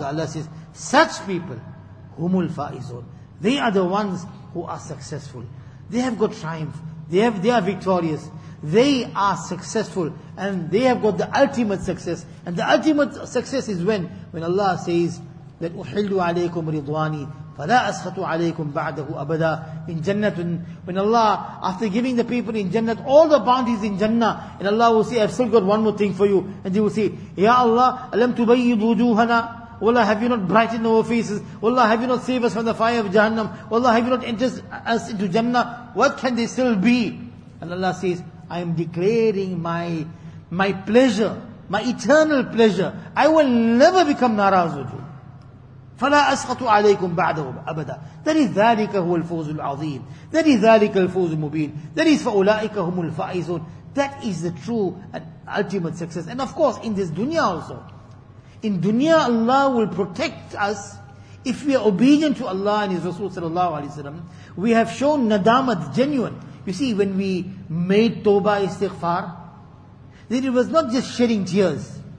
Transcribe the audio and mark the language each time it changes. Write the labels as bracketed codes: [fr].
[en] Allah says, such people, [ar] هُمُ الْفَائِزُونَ. [en] They are the ones who are successful. They have got triumph. They are victorious. They are successful and they have got the ultimate success. And the ultimate success is when Allah says that [ar] uhillu alaykum ridwani, فلا أسخط عليكم بعده أبدا [en] in Jannah. When Allah, after giving the people in Jannah all the bounties in Jannah, and Allah will say, I've still got one more thing for you, and they will say, Ya Allah, [ar] alam tubayyid wujuhana, [en] Wallah, have you not brightened our faces? Wallah, have you not saved us from the fire of Jahannam? Wallah, have you not entered us into Jannah? What can they still be? And Allah says, I am declaring my pleasure, my eternal pleasure. I will never become naraz with you. [ar] فلا أسخط عليكم بعده أبدا. [en] That is [ar] ذلك هو الفوز العظيم. [en] That is [ar] ذلك الفوز المبين. That is فأولئك هم الفائزون. [en] That is the true and ultimate success. And of course, in this dunya also. In dunya, Allah will protect us if we are obedient to Allah and His Rasul sallallahu alaihi wasallam. We have shown nadamat, genuine. You see, when we made tawbah istighfar, then it was not just shedding tears.